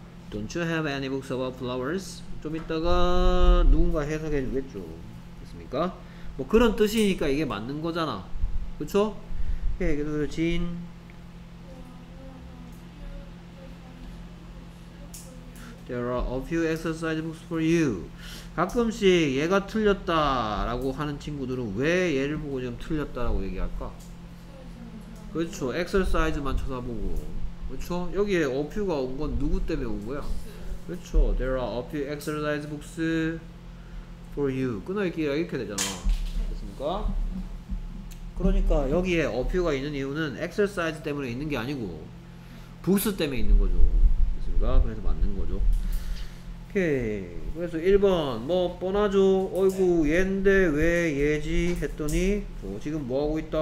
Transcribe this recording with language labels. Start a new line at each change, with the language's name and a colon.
English: 'Don't you have any books about flowers?'
Korean: 좀 이따가 누군가 해석해 주겠죠. 됐습니까? 뭐 그런 뜻이니까 이게 맞는 거잖아. 그쵸? 오케이. 그래서 지인
English: There are a few exercise books for you.
Korean: 가끔씩 얘가 틀렸다 라고 하는 친구들은 왜 얘를 보고 지금 틀렸다 라고 얘기할까? 그렇죠. exercise만 쳐다보고. 그렇죠. 여기에 a few가 온 건 누구 때문에 온 거야? 그렇죠.
English: There are a few exercise books for you.
Korean: 끊어있기가 이렇게 되잖아. 됐습니까? 그러니까 여기에 a few가 있는 이유는 exercise 때문에 있는 게 아니고 books 때문에 있는 거죠. 그래서 맞는 거죠. 오케이. 그래서 1번 뭐 뻔하죠. 어이구 얘인데 왜 얘지 했더니 뭐 지금 뭐 하고 있다.